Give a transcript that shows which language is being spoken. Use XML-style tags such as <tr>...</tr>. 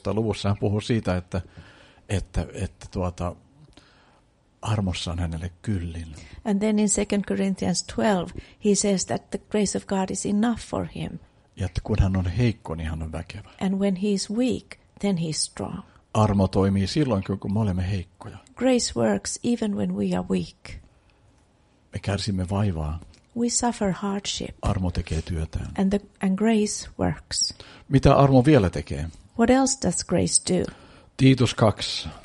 <fi>luvussa hän puhuu siitä, että armossa on hänelle kyllin.</fi> <en>And then in 2 Corinthians 12 he says that the grace of God is enough for him.</en> <fi>Ja että kun hän on heikko, niin hän on väkevä.</fi> <en>And when he is weak, then he is strong.</en> <fi>Armo toimii silloin, kun me olemme heikkoja.</fi> <en>Grace works even when we are weak.</en> <fi>Me kärsimme vaivaa.</fi> <en>We suffer hardship.</en> <fi>Armo tekee työtään.</fi> <en>And grace works.</en> <fi>Mitä armo vielä tekee?</fi> <en>What else does grace do?</en> <fi>Titus 2.</fi>